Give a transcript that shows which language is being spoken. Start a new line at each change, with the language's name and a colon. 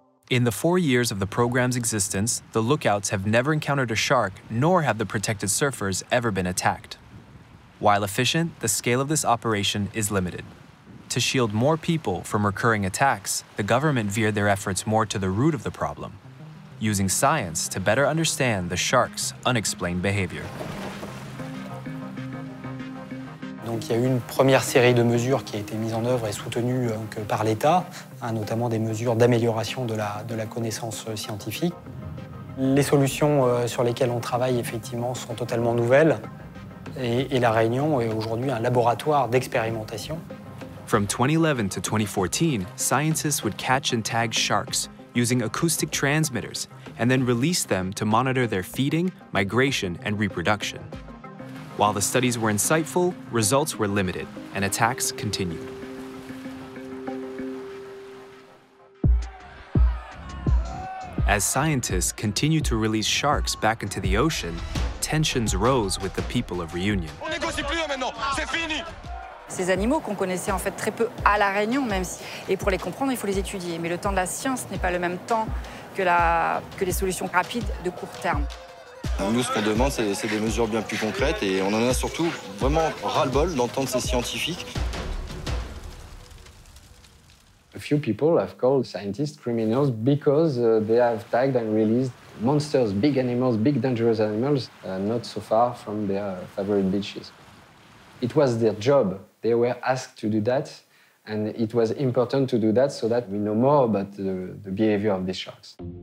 English: In the 4 years of the program's existence, the lookouts have never encountered a shark, nor have the protected surfers ever been attacked. While efficient, the scale of this operation is limited. To shield more people from recurring attacks, the government veered their efforts more to the root of the problem, using science to better understand the shark's unexplained behavior.
French: Donc il y a eu une première série de mesures qui a été mise en œuvre et soutenue donc, par l'État, hein, notamment des mesures d'amélioration de la connaissance scientifique. Les solutions sur lesquelles on travaille effectivement sont totalement nouvelles et La Réunion est aujourd'hui un laboratoire d'expérimentation.
English: From 2011 to 2014, scientists would catch and tag sharks using acoustic transmitters and then release them to monitor their feeding, migration and reproduction. While the studies were insightful, results were limited, and attacks continued. As scientists continued to release sharks back into the ocean, tensions rose with the people of Reunion.
French: On négocie plus maintenant, c'est fini. Ces animaux qu'on connaissait en fait très peu à La Réunion, même si, et pour les comprendre, il faut les étudier. Mais le temps de la science n'est pas le même temps que les solutions rapides de court terme. Nous, ce qu'on demande, c'est des mesures bien plus concrètes et on en a surtout vraiment ras-le-bol d'entendre ces scientifiques.
English: A few people have called scientists criminals because they have tagged and released monsters, big animals, big dangerous animals, not so far from their favorite beaches. It was their job. They were asked to do that, and it was important to do that so that we know more about the behavior of these sharks.